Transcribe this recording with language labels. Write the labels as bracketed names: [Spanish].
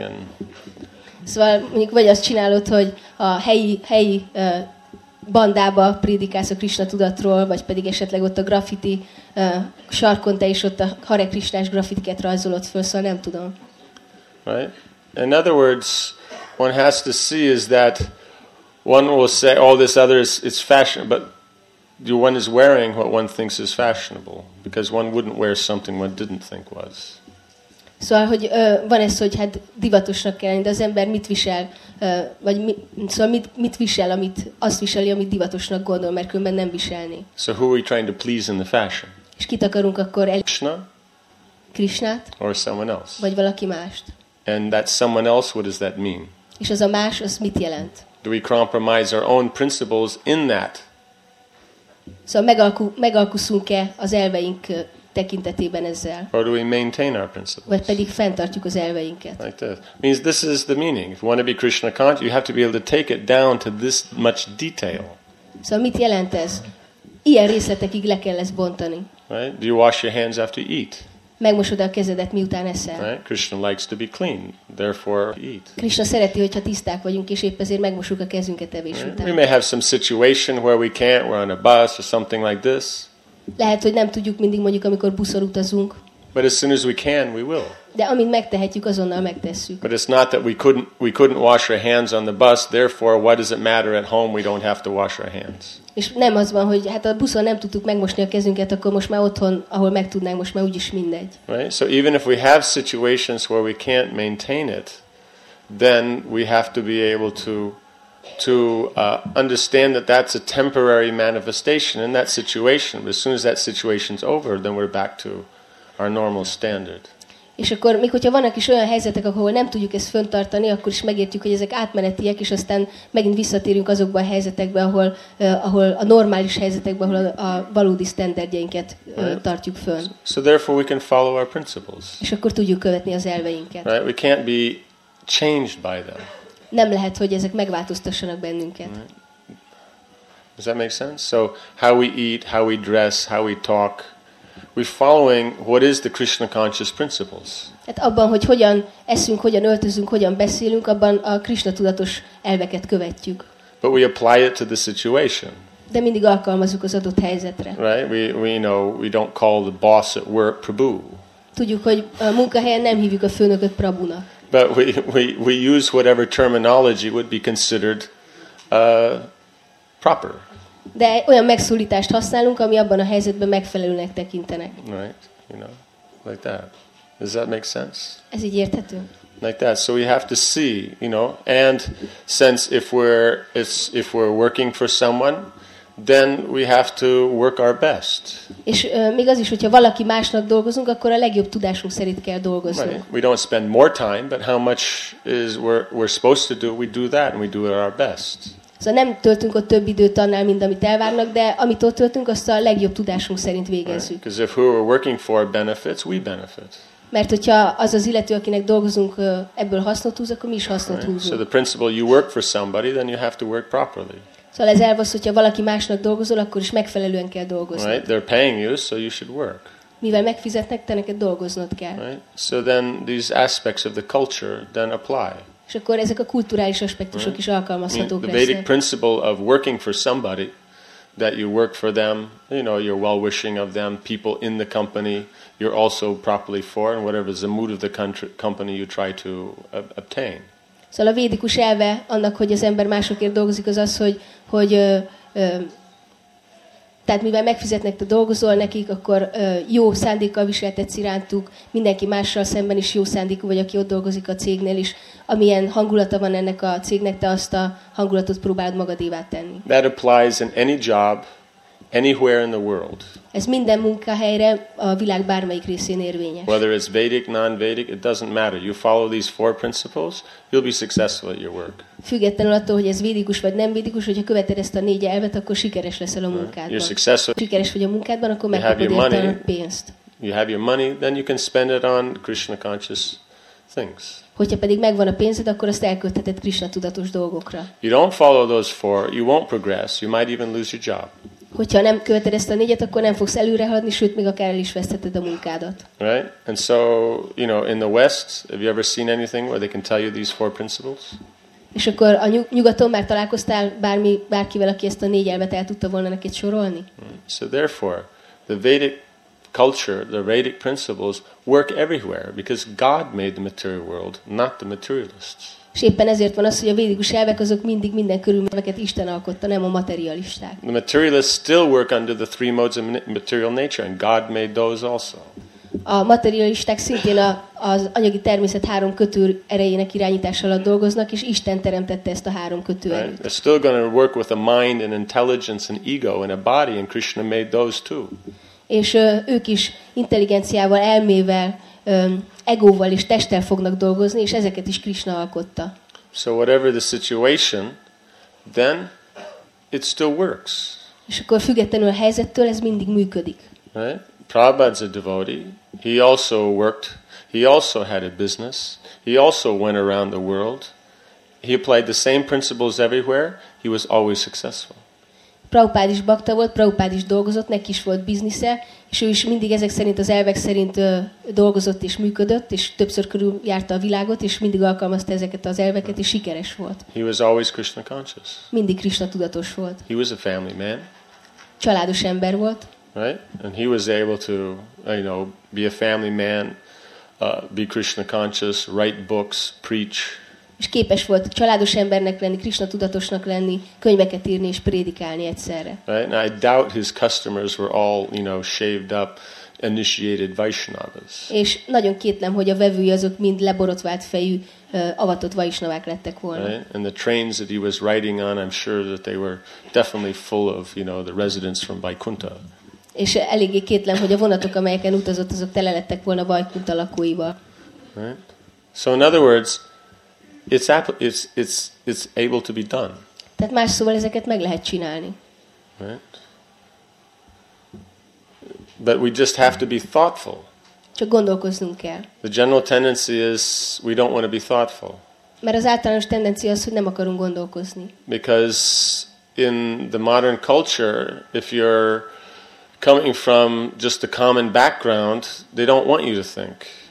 [English] And [Hungarian] szóval mondjuk vagy azt csinálod, hogy a helyi bandába prédikálsz a Krishna tudatról, vagy pedig esetleg ott a graffiti sarkon te is ott a Hare Krishnás graffitiket rajzolod föl, szóval nem tudom. [English] Right? In other words, one has to see is that one will say all this other is it's fashion, but one is wearing what one thinks is fashionable, because one wouldn't wear something one didn't think was. [Hungarian] Szóval, hogy van ez, hogy hát divatosnak kell lenni, de az ember mit visel, vagy mit visel, amit azt viseli, amit divatosnak gondol, mert különben nem viselni. [English] So who are we trying to please in the fashion? [Hungarian] És kit akarunk akkor el? [English] Krishna? [Hungarian] Krishnát? [English] Or someone else? [Hungarian] Vagy valaki mást? [English] And that someone else, what does that mean? [Hungarian] És az a más, az mit jelent? [English] Do we compromise our own principles in that? [Hungarian] Szóval megalkuszunk-e az elveink tekintetében ezzel. [English] Or do we maintain our principles? [Hungarian] Vagy pedig fenntartjuk az elveinket. [English] Like that. Means this is the meaning. If you want to be Krishna conscious, you have to be able to take it down to this much detail. [Hungarian] Szóval mit jelent ez? Ilyen részletekig le kell ezt bontani. [English] Right? Do you wash your hands after you eat? [Hungarian] Megmosod a kezedet miután eszel. [English] Right? Krishna likes to be clean, therefore eat. [Hungarian] Krishna szereti, hogyha tiszták vagyunk, és épp ezért megmosuk a kezünket evés után. [English] We may have some situation where we can't, we're on a bus or something like this. [Hungarian] Lehet, hogy nem tudjuk mindig, mondjuk, amikor buszon utazunk. [English] But as soon as we can, we will. [Hungarian] De amint megtehetjük, azonnal megtesszük. [English] But it's not that we couldn't wash our hands on the bus, therefore what does it matter at home, we don't have to wash our hands. [Hungarian] És nem az van, hogy hát a buszon nem tudtuk megmosni a kezünket, akkor most már otthon, ahol megtudnánk, most már úgyis mindegy. [English] Right? So even if we have situations where we can't maintain it, then we have to be able to understand that that's a temporary manifestation in that situation, but as soon as that situation's over, then we're back to our normal standard. [Hungarian] És akkor még hogyha vannak is olyan helyzetek, ahol nem tudjuk ezt fönntartani, akkor is megértjük, hogy ezek átmenetiek, és aztán megint visszatérünk azokba a helyzetekbe, ahol a normális helyzetekbe, ahol a valódi standardjeinket tartjuk fönn. [English] So therefore we can follow our principles. [Hungarian] És akkor tudjuk követni az elveinket. [English] Right? We can't be changed by them. [Hungarian] Nem lehet, hogy ezek megváltoztassanak bennünket. [English] Right. Does that make sense? So how we eat, how we dress, how we talk, we're following what is the Krishna conscious principles. [Hungarian] Hát abban, hogy hogyan eszünk, hogyan öltözünk, hogyan beszélünk, abban a Krishna tudatos elveket követjük. [English] But we apply it to the situation. [Hungarian] De mindig alkalmazzuk az adott helyzetre. [English] Right? We know we don't call the boss at work Prabhu. [Hungarian] Tudjuk, hogy a munkahelyen nem hívjuk a főnököt Prabhunak. [English] But we use whatever terminology would be considered proper. De olyan megszólítást használunk, ami abban a helyzetben megfelelőnek tekintenek. Right, you know, like that. Does that make sense? [Hungarian] Ez így érthető. [English] Like that. So we have to see, you know, and since if we're working for someone, then we have to work our best. [Hungarian] És még az is, hogyha valaki másnak dolgozunk, akkor a legjobb tudásunk szerint kell dolgoznunk. [English] Right. We don't spend more time, but how much is we're supposed to do, we do that and we do our best. [Hungarian] Szóval nem töltünk ott több időt annál, mint amit elvárnak, de amit ott töltünk, azt a legjobb tudásunk szerint végezzük. [English] Because if who we're working for benefits, we benefit. [Hungarian] Mert hogyha az az illető, akinek dolgozunk, ebből hasznot húz, akkor mi is hasznot húzunk. [English] So the principle, you work for somebody, then you have to work properly. [Hungarian] Szóval ez elv az, hogyha valaki másnak dolgozol, akkor is megfelelően kell dolgozni. [English] Right? They're paying you, so you should work. [Hungarian] Mivel megfizetnek, te neked dolgoznod kell. [English] Right? So then these aspects of the culture then apply. [Hungarian] És akkor ezek a kulturális aspektusok is alkalmazhatók. [English] The basic principle of working for somebody, that you work for them, you know, your well-wishing of them, people in the company, you're also properly for, and whatever is the mood of the company you try to obtain. [Hungarian] Szóval a védikus elve annak, hogy az ember másokért dolgozik, az az, hogy tehát mivel megfizetnek, te dolgozol nekik, akkor jó szándékkal viseltetsz irántuk, mindenki mással szemben is jó szándékú vagy, aki ott dolgozik a cégnél is. Amilyen hangulata van ennek a cégnek, te azt a hangulatot próbálod magadévá tenni. [English] That applies in any job, anywhere in the world. [Hungarian] Ez minden munkahelyre, a világ bármelyik részén érvényes. [English] Whether it's Vedic, non-Vedic, it doesn't matter. You follow these four principles, you'll be successful at your work. [Hungarian] Függetlenül attól, hogy ez védikus vagy nem védikus, hogyha követed ezt a négy elvet, akkor sikeres leszel a munkádban. [English] You're successful. [Hungarian] Sikeres vagy a munkádban, akkor megkapod érte a pénzt. [English] You have your money, then you can spend it on Krishna conscious things. [Hungarian] Hogyha pedig megvan a pénzed, akkor azt elköltheted Krishna tudatos dolgokra. [English] You don't follow those four, you won't progress. You might even lose your job. [Hungarian] Hogyha nem követed ezt a négyet, akkor nem fogsz előrehaladni, sőt még akár el is vesztheted a munkádat. [English] Right? And so, you know, in the West, have you ever seen anything where they can tell you these four principles? [Hungarian] És akkor a nyugaton már találkoztál bárkivel, aki ezt a négy elvet el tudta volna neked sorolni? [English] So therefore, the Vedic culture, the Vedic principles work everywhere because God made the material world, not the materialists. [Hungarian] És éppen ezért van az, hogy a védikus elvek azok mindig minden körülményeket Isten alkotta, nem a materialisták. [English] The materialists still work under the three modes of material nature, and God made those also. [Hungarian] A materialisták szintén az anyagi természet három kötőr erejének irányítása alatt dolgoznak, és Isten teremtette ezt a három kötőerőt. [English] They're still going to work with a mind and intelligence and ego and a body, and Krishna made those too. [Hungarian] És ők is intelligenciával, elmével, egóval és testtel fognak dolgozni, és ezeket is Krishna alkotta. [English] So whatever the situation, then it still works. [Hungarian] És akkor függetlenül a helyzettől ez mindig működik. [English] Right? Prabhupada's a devotee. He also worked. He also had a business. He also went around the world. He applied the same principles everywhere. He was always successful. [Hungarian] Prabhupád is bakta volt, Prabhupád is dolgozott, neki is volt biznisze, és ő is mindig ezek szerint, az elvek szerint dolgozott és működött, és többször körüljárta a világot, és mindig alkalmazta ezeket az elveket, és sikeres volt. [English] He was always Krishna conscious. [Hungarian] Mindig Krishna tudatos volt. [English] He was a family man. [Hungarian] Családos ember volt. [English] Right? And he was able to, you know, be a family man, be Krishna conscious, write books, preach. [Hungarian] És képes volt családos embernek lenni, Krishna tudatosnak lenni, könyveket írni és prédikálni egyszerre. [English] Right? And I doubt his customers were all, you know, shaved up, initiated Vaishnavas. [Hungarian] És nagyon kétlem, hogy a vevői azok mind leborotvált fejű, avatott Vaishnavák lettek volna. [English] Right? And the trains that he was riding on, I'm sure that they were definitely full of, you know, the residents from Vaikuntha. [Hungarian] És eléggé kétlem, hogy a vonatok, amelyeken utazott, azok tele lettek volna Vaikuntha lakóival. [English] Right? So in other words, it's able to be done. [Hungarian] Tehát más szóval ezeket meg lehet csinálni. [English] Right? But we just have to be thoughtful. [Hungarian] Csak gondolkoznunk kell. [English] The general tendency is we don't want to be thoughtful. [Hungarian] Mert az általános tendencia az, hogy nem akarunk gondolkozni. [English] Because in the modern culture, if you're coming from just a common background, they don't want you to think.